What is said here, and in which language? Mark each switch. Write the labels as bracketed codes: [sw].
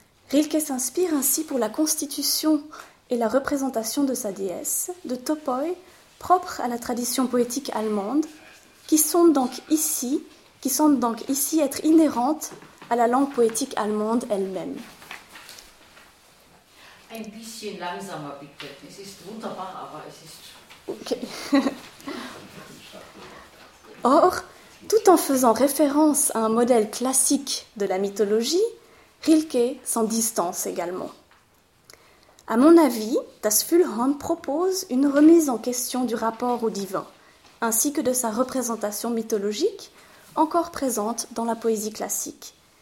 [fr] Rilke s'inspire ainsi pour la constitution et la représentation de sa déesse, de Topoi, propre à la tradition poétique allemande, qui semble donc ici être inhérente à la langue poétique allemande elle-même. [de] Ein bisschen langsamer bitte. Es ist wunderbar, aber es ist... Okay. [fr] Or, tout en faisant référence à un modèle classique de la mythologie, Rilke s'en distance également. À mon avis, Das Füllhorn propose une remise en question du rapport au divin, ainsi que de sa représentation mythologique, encore présente dans la poésie classique.